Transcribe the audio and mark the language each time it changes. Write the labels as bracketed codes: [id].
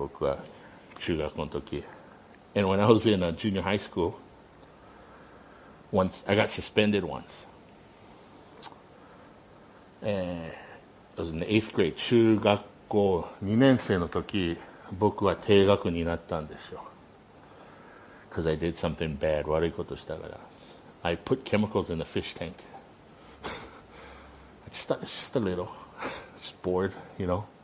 [ja] みんな知ってるでしょ。私立の学校から追い払われて、公立学校に行ったんで、僕は中学校の時。 [en] And when I was in junior high school, once I got suspended once. And I was in the eighth grade. [ja] 中学校2年生の時、僕は低学になったんですよ。 [en] Because I did something bad, [ja] 悪いことしたから。 [en] I put chemicals in the fish tank. just bored, you know.